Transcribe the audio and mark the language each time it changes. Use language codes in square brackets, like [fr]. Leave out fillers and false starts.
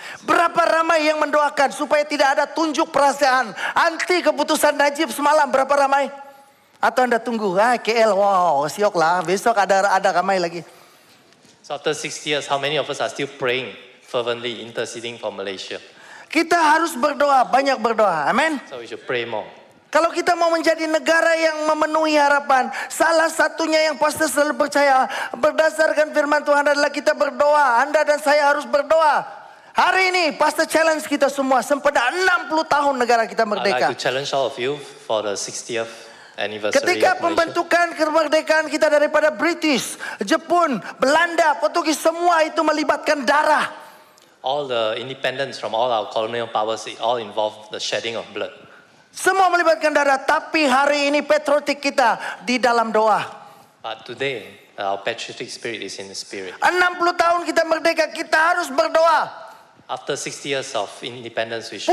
[ms] Berapa ramai yang mendoakan supaya tidak ada tunjuk perasaan anti keputusan Najib semalam? Berapa ramai? Atau Anda tunggu, KL, wow, siok lah, besok ada ramai lagi. [en] So after 60 years, how many of us are still praying fervently, interceding for Malaysia? [ms] Kita harus berdoa, banyak berdoa, amen. [en] So we should pray more. [ms] Kalau kita mau menjadi negara yang memenuhi harapan, salah satunya yang pasti selalu percaya, berdasarkan firman Tuhan adalah kita berdoa, Anda dan saya harus berdoa. Hari ini pastor challenge kita semua, sempena 60 tahun negara kita merdeka. [en] I'd like to challenge all of you for the 60th. [ms] Ketika pembentukan kemerdekaan kita daripada British, Jepun, Belanda, Portugis, semua itu melibatkan darah. [en] All the independence from all our colonial powers, it all involved the shedding of blood. [ms] Semua melibatkan darah, tapi hari ini patriotik kita di dalam doa. [en] But today, our patriotic spirit is in the spirit. [ms] 60 tahun kita merdeka, kita harus berdoa. [en] After 60 years of independence, we should